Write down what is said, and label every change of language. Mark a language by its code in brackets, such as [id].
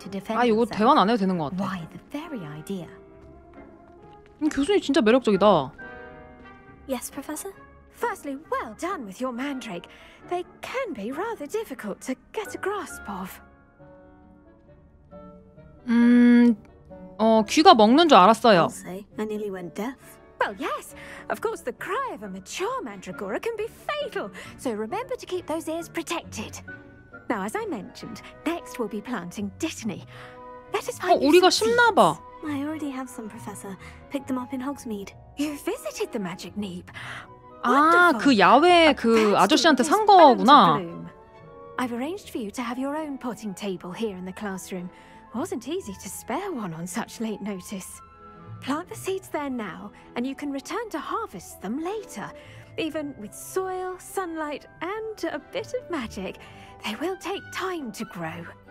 [ko] 아 이거 대화는 안 해도 되는 것 같아. 교수님 진짜 매력적이다. [en] Yes, professor. Firstly, well done with your mandrake. They can be rather difficult to get a grasp of. [ko] 어 귀가 먹는 줄 알았어요. [en] I nearly went deaf. Well, yes. Of course, the cry of a mature mandragora can be fatal. So remember to keep those ears protected. Now, as I mentioned, next we'll be planting Dittany. Let us find. [ko] 어, 우리가 심나 봐. [en] I already have some, Professor. Picked them up in Hogsmeade. You visited the magic neep. [ko] 아, 그 야외 그 아저씨한테 산 거구나. [en] I've arranged for you to have your own potting table here in the classroom. Wasn't easy to spare one on such late notice. Plant the seeds there now, and you can return to harvest them later. Even with soil, sunlight, and a bit of magic, they will take time to grow.